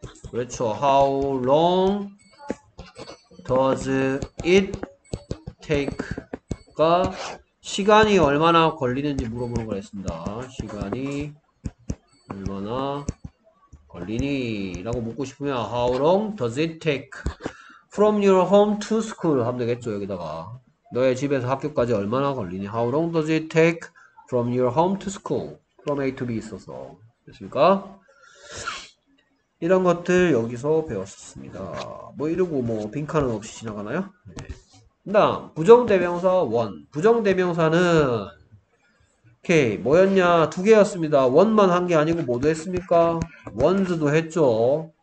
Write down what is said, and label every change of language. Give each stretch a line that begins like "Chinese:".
Korean: 그렇죠.
English: How long does it take
Korean: 가 시간이 얼마나 걸리는지 물어보는 걸 했습니다. 시간이 얼마나 걸리니라고 묻고 싶으면
English: How long does it take from your home to school
Korean: 하면 되겠죠. 여기다가 너의 집에서 학교까지 얼마나 걸리니?
English: How long does it take from your home to school?
Korean: From A to B 있어서 됐습니까? 이런 것들 여기서 배웠습니다. 뭐 이러고 뭐 빈칸은 없이 지나가나요? 네. 다음 부정대명사 원. 부정대명사는 오케이 뭐였냐? 두 개였습니다. 원만 한게 아니고 뭐도 했습니까? 원즈도 했죠.